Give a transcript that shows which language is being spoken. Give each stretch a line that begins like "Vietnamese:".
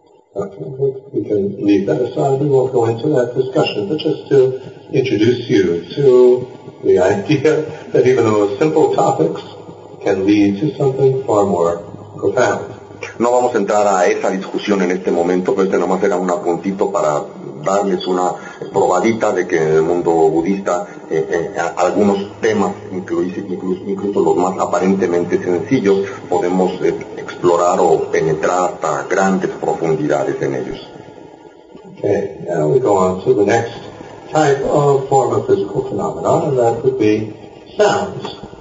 English: Okay, we can leave that aside, we won't go into that discussion, but just to introduce you to the idea that even the most simple topics can lead to something far more profound.
Spanish: No vamos a entrar a esa discusión en este momento, pero este nomás era un apuntito para darles una probadita de que en el mundo budista algunos temas, incluso los más aparentemente sencillos, podemos explorar o penetrar hasta grandes profundidades en ellos.
English: Okay, now we go on to the next type of form of physical phenomenon, and that would be sounds.